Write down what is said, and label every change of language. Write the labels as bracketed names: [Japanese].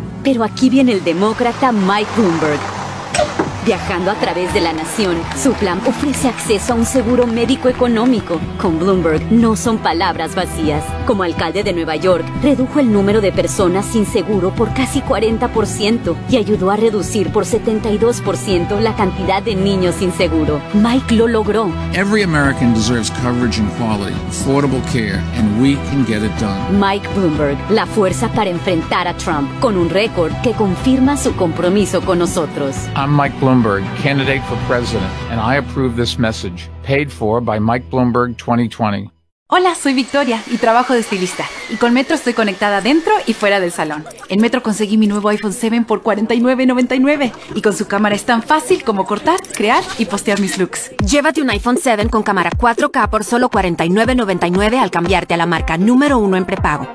[Spanish] Pero aquí viene el demócrata Mike Bloomberg. Viajando a través de la nación, su plan ofrece acceso a un seguro médico económico. Con Bloomberg no son palabras vacías. Como alcalde de Nueva York, redujo el número de personas sin seguro por casi 40% y ayudó a reducir por 72% la cantidad de niños sin seguro. Mike lo logró. [English] Every American deserves coverage and quality, affordable care, and we can get it done. [Spanish] Mike Bloomberg, la fuerza para enfrentar a Trump, con un récord que confirma su compromiso con nosotros. [English] I'm Mike Bloomberg, candidate for president, and I approve this message, paid for by Mike Bloomberg 2020. [Spanish] Hola, soy Victoria y trabajo de estilista. Y con Metro estoy conectada dentro y fuera del salón. En Metro conseguí mi nuevo iPhone 7 por $49.99. Y con su cámara es tan fácil como cortar, crear y postear mis looks. Llévate un iPhone 7 con cámara 4K por solo $49.99 al cambiarte a la marca número uno en prepago.